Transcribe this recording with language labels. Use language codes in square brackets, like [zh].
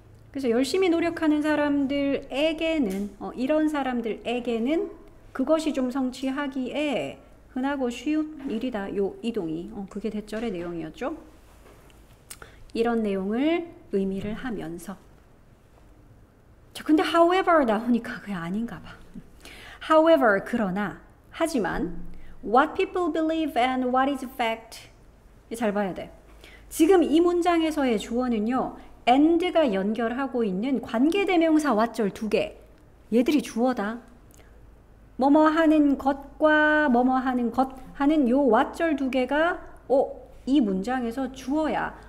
[ko] 그래서 열심히 노력하는 사람들에게는 이런 사람들에게는 그것이 좀 성취하기에 흔하고 쉬운 일이다. 요 이동이. 그게 대절의 내용이었죠. 이런 내용을 의미를 하면서. 자, 근데 however 나오니까 그게 아닌가 봐. [en] However, [ko] 그러나 하지만 [en] What people believe and what is fact? [ko] 잘 봐야 돼. 지금 이 문장에서의 주어는요, and가 연결하고 있는 관계대명사 what절 두 개. 얘들이 주어다. 뭐뭐 하는 것과 뭐뭐 하는 것 하는 요 what절 두 개가 이 문장에서 주어야.